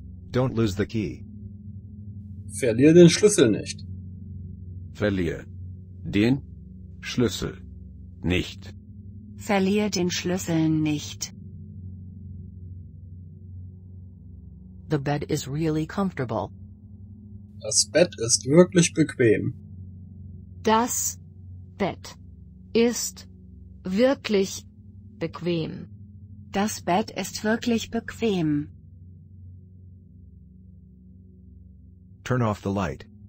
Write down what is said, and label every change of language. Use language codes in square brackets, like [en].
[en] Don't lose the key. [de] Verlier den Schlüssel nicht. Verlier den Schlüssel nicht. Verlier den Schlüssel nicht. [en] The bed is really comfortable. [de] Das Bett ist wirklich bequem. Das Bett ist wirklich bequem. Das Bett ist wirklich bequem. [en] Turn off the light.